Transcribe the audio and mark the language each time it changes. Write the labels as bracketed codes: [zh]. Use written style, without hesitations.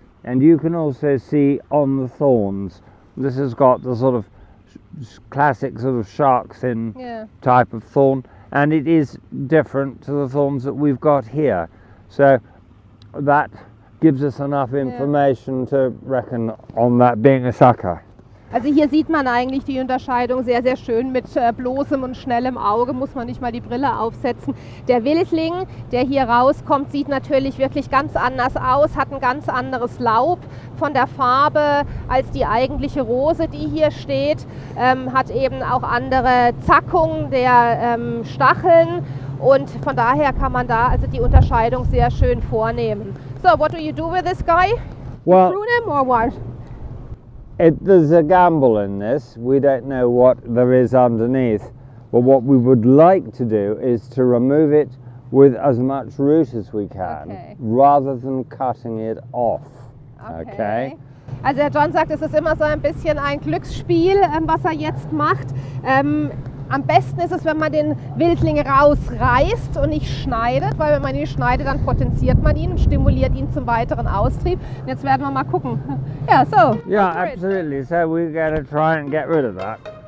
[en] And you can also see on the thorns, this has got the sort of classic sort of shark fin, yeah, type of thorn, and it is different to the thorns that we've got here. So that gives us enough information, yeah, to reckon on that being a sucker. [de] Also hier sieht man eigentlich die Unterscheidung sehr, sehr schön mit bloßem und schnellem Auge, muss man nicht mal die Brille aufsetzen. Der Wildling, der hier rauskommt, sieht natürlich wirklich ganz anders aus, hat ein ganz anderes Laub von der Farbe als die eigentliche Rose, die hier steht, hat eben auch andere Zackungen der Stacheln und von daher kann man da also die Unterscheidung sehr schön vornehmen. [en] So, what do you do with this guy? Well, prune him or what? There's a gamble in this. We don't know what there is underneath. But what we would like to do is to remove it with as much root as we can, okay, rather than cutting it off. Okay. [de] Also der John sagt, es ist immer so ein bisschen ein Glücksspiel, was er jetzt macht. Am besten ist es, wenn man den Wildling rausreißt und nicht schneidet, weil wenn man ihn schneidet, dann potenziert man ihn und stimuliert ihn zum weiteren Austrieb. Und jetzt werden wir mal gucken. Ja, so. [en] Yeah, absolutely. So we're gonna try and get rid of that.